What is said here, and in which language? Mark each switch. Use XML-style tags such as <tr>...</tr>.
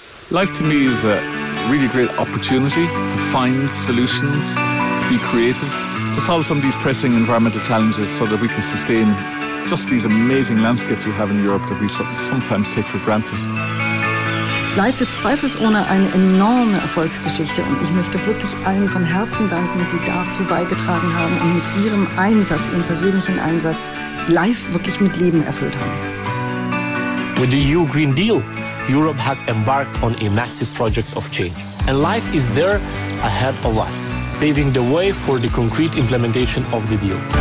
<en>Life to me is a really great opportunity to find solutions, to be creative, to solve some of these pressing environmental challenges so that we can sustain just these amazing landscapes we have in Europe that we sometimes take for granted.</en> <de>Life ist zweifelsohne eine enorme Erfolgsgeschichte und ich möchte wirklich allen von Herzen danken, die dazu beigetragen haben und mit ihrem Einsatz, ihrem persönlichen Einsatz, Life wirklich mit Leben erfüllt haben.</de> <en>With the EU Green Deal, Europe has embarked on a massive project of change. And Life is there ahead of us, paving the way for the concrete implementation of the deal.</en>